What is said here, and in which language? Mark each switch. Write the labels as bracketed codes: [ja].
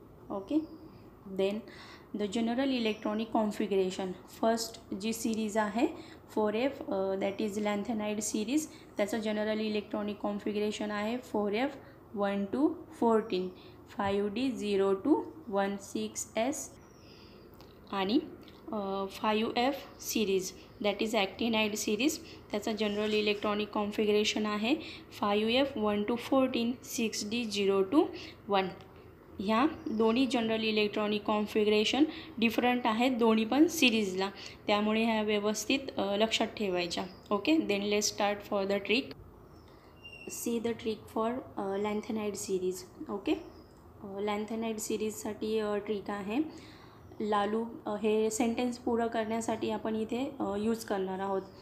[en] okay then the general electronic configuration first [mr] G series आहे 4F [en] that is lanthanide series [mr] त्याचं general electronic configuration आहे 4F 1 to 14 5D 0 to 16S आणि 5F series [en] that is actinide series [mr] त्याचं general electronic configuration आहे 5F 1 to 14 6D 0 to 1. ह्या दोन्ही general electronic configuration different आहेत दोन्ही पण सिरीजला त्यामुळे ह्या व्यवस्थित लक्षात ठेवायच्या. [en] Okay then let's start for the trick. See the trick for lanthanide series. [mr] Okay lanthanide सिरीजसाठी trick आहे लालू हे सेंटेन्स पूर्ण करण्यासाठी आपण इथे यूज करणार आहोत.